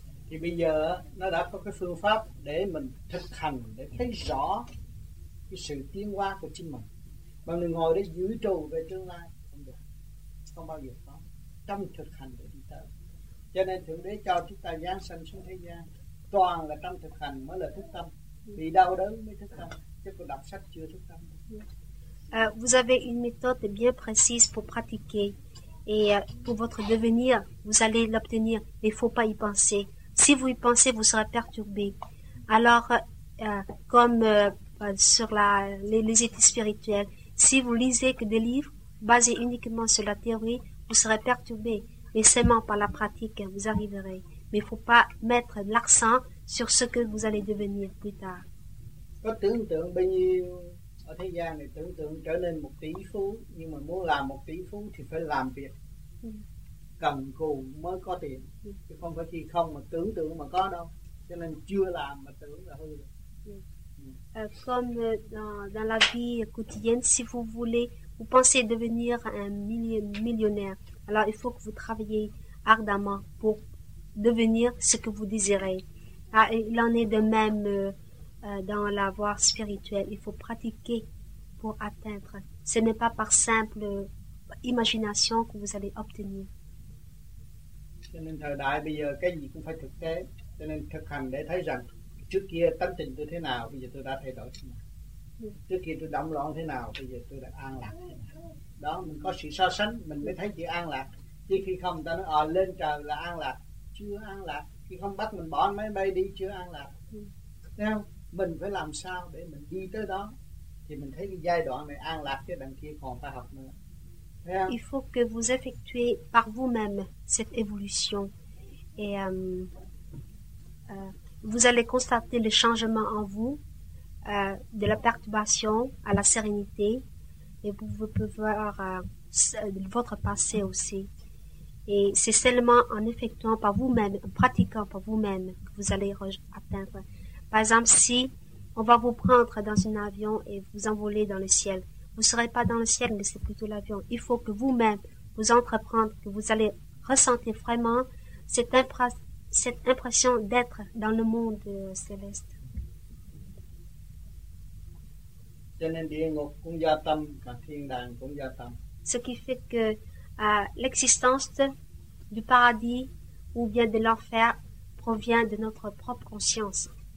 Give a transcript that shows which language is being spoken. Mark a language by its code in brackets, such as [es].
[vi] Thì bây giờ nó đã có cái phương pháp để mình thực hành, để thấy rõ cái sự tiến hóa của chính mình. Mà mình ngồi để dự trù về tương lai không được, không bao giờ có. Trong thực hành để đi tới. Cho nên Thượng Đế cho chúng ta giáng sanh xuống thế gian toàn là trong thực hành mới là thức tâm. Vì đau đớn mới thức tâm, chứ còn đọc sách chưa thức tâm. [fr] Vous avez une méthode bien précise pour pratiquer. Et pour votre devenir, vous allez l'obtenir. Il ne faut pas y penser. Si vous y pensez, vous serez perturbé. Alors, comme sur les études spirituelles, si vous lisez que des livres basés uniquement sur la théorie, vous serez perturbé. Mais seulement par la pratique, vous arriverez. Mais il ne faut pas mettre l'accent sur ce que vous allez devenir plus tard. [vi] Có tưởng tượng bao nhiêu ở thế gian này, tưởng tượng trở nên một tỷ phú, nhưng mà muốn làm một tỷ phú thì phải làm việc. Cầm cù mới có tiền, chứ không phải khi không mà tưởng tượng mà có đâu. Cho nên chưa làm mà tưởng là hư rồi. [fr] Comme dans la vie quotidienne, si vous voulez, vous pensez devenir un millionnaire, alors il faut que vous travaillez ardemment pour devenir ce que vous désirez. Il en est de même dans la voie spirituelle. Il faut pratiquer pour atteindre. Ce n'est pas par simple imagination que vous allez obtenir. [vi] Cho nên thời đại bây giờ cái gì cũng phải thực tế. Cho nên thực hành để thấy rằng trước kia tâm tình tôi thế nào, bây giờ tôi đã thay đổi thế nào. Trước kia tôi động loạn thế nào, bây giờ tôi đã an lạc thế nào. Đó, mình có sự so sánh, mình mới thấy chị an lạc. Chứ khi không, ta nói lên trời là an lạc. Chưa an lạc. Khi không bắt mình bỏ máy bay đi, chưa an lạc. Thấy không? Mình phải làm sao để mình đi tới đó. Thì mình thấy cái giai đoạn này an lạc, chứ đằng kia còn phải học nữa. [fr] Il faut que vous effectuez par vous-même cette évolution et vous allez constater le changement en vous, de la perturbation à la sérénité, et vous pouvez voir votre passé aussi. Et c'est seulement en effectuant par vous-même, en pratiquant par vous-même, que vous allez atteindre. Par exemple, si on va vous prendre dans un avion et vous envoler dans le ciel, vous ne serez pas dans le ciel, mais c'est plutôt l'avion. Il faut que vous-même vous entreprendre, que vous allez ressentir vraiment cette impression d'être dans le monde céleste. [vi] Cho nên địa ngục cũng do tâm và thiên đàng cũng do tâm. [fr] Ce qui fait que l'existence du paradis ou bien de l'enfer provient de notre propre conscience.